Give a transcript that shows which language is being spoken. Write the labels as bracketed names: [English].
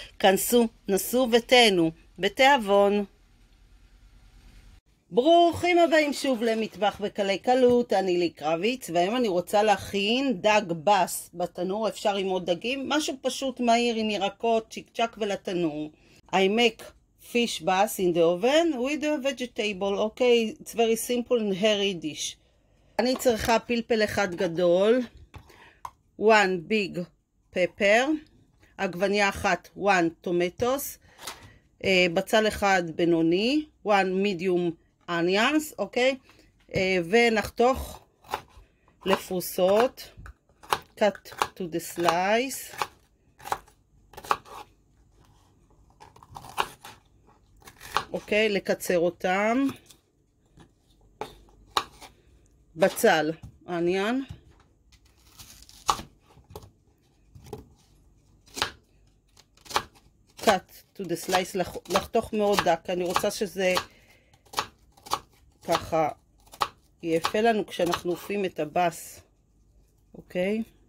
[Hebrew] כנסו, נסו ותהנו, בתיאבון. ברוכים הבאים שוב למטבח בקלי קלות, אני לי קרביץ, והיום אני רוצה להכין דג בס בתנור, אפשר עם עוד דגים, משהו פשוט מהיר עם ירקות, צ'יק צ'ק ולתנור. [English] I make fish bass in the oven with a vegetable, okay, it's very simple and hairy dish. [Hebrew] אני צריכה פלפל אחד גדול, [English] one big pepper, [Hebrew] עגבניה אחת, [English] one tomatoes, [Hebrew] בצל אחד בינוני, [English] one medium onions, [Hebrew] אוקיי? ונחתוך לפרוסות, [English] cut to the slice, [Hebrew] אוקיי? לקצר אותם, בצל, onion, [English] cut to the slice, [Hebrew] לחתוך מאוד דק, אני רוצה שזה ככה יפה לנו כשאנחנו עופים את הבס, אוקיי?